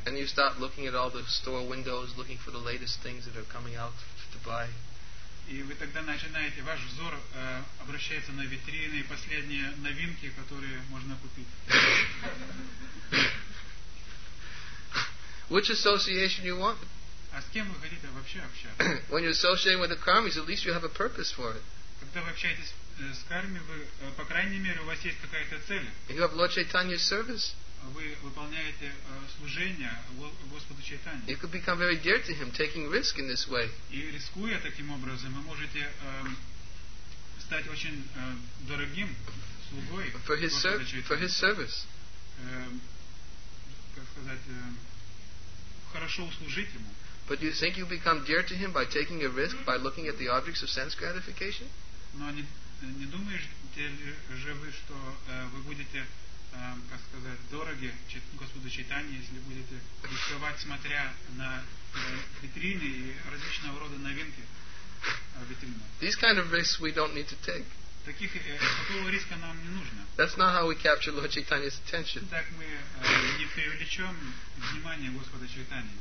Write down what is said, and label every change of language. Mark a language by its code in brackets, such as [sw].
[en] And you start looking at all the store windows, looking for the latest things that are coming out to buy. [ru] И вы тогда начинаете, ваш взор обращается на витрины и последние новинки, которые можно купить. [en] Which association you want? [ru] А с кем вы хотите вообще общаться? [en] When you're associating with the karmis, at least you have a purpose for it. [ru] Когда вы общаетесь с карми, вы, по крайней мере, у вас есть какая-то цель. [en] You have Lord Chaitanya's service. [ru] Вы выполняете служение Господу Чайтанье. [en] You could become very dear to him, taking risk in this way. [ru] И рискуя таким образом, вы можете стать очень дорогим слугой Господа Чайтанье. [en] For his service. [ru] Как сказать, хорошо услужить ему. [en] But do you think you become dear to him by taking a risk, by looking at the objects of sense gratification? [ru] Но не думаете ли же вы, что вы будете, как сказать, дороги Господу Чайтанье, если будете рисковать, смотря на витрины и различного рода новинки витрины? [en] These kind of risks we don't need to take. [ru] Такого риска нам не нужно. [en] That's not how we capture Lord Chaitanya's attention. [ru] Так мы не привлечем внимание Господа Чайтанье.